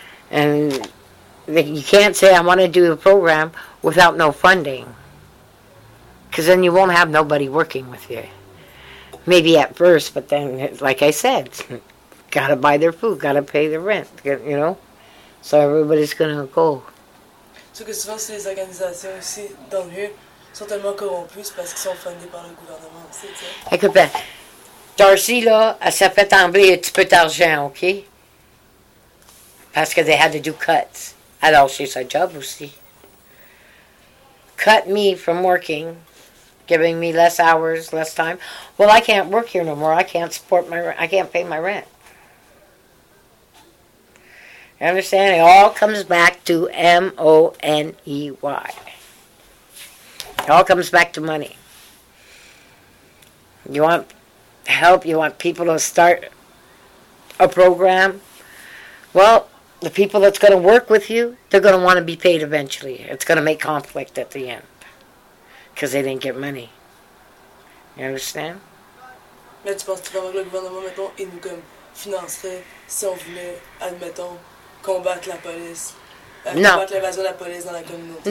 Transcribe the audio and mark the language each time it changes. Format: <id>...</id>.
<en>And you can't say, I want to do a program without no funding. Because then you won't have nobody working with you. Maybe at first, but then, like I said, got to buy their food, got to pay their rent, you know? So everybody's going to go.</en> <fr>So, souvent, c'est les organisations aussi dans le sont tellement corrompus parce qu'ils sont fondés par le gouvernement aussi, t'sais. Écoute, Darcy, là, elle s'est fait tomber un petit peu d'argent, OK? Parce que</fr> <en>they had to do cuts.</en> <fr>Alors, c'est sa job aussi.</fr> <en>Cut me from working, giving me less hours, less time. Well, I can't work here no more. I can't support my rent. I can't pay my rent. You understand? It all comes back to M-O-N-E-Y. It all comes back to money. You want help, you want people to start a program. Well, the people that's going to work with you, they're going to want to be paid eventually. It's going to make conflict at the end because they didn't get money. You understand?</en> <fr>Mais tu penses que le gouvernement, mettons, il nous comme financerait si on voulait, admettons, combattre la police, combattre l'invasion de la police dans la communauté?</fr>